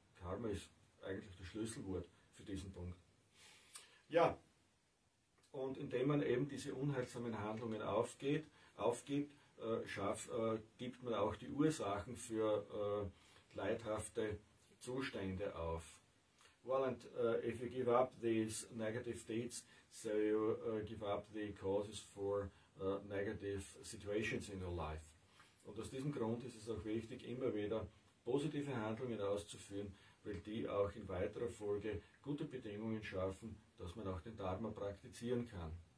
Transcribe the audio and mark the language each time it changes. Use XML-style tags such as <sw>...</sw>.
<de>Karma ist eigentlich das Schlüsselwort für diesen Punkt. Ja, und indem man eben diese unheilsamen Handlungen aufgibt, schafft, gibt man auch die Ursachen für leidhafte Zustände auf.</de> <en>Well, and if you give up these negative deeds, so you give up the causes for negative situations in your life.</en> <de>Und aus diesem Grund ist es auch wichtig, immer wieder positive Handlungen auszuführen, weil die auch in weiterer Folge gute Bedingungen schaffen, dass man auch den Dharma praktizieren kann.</de>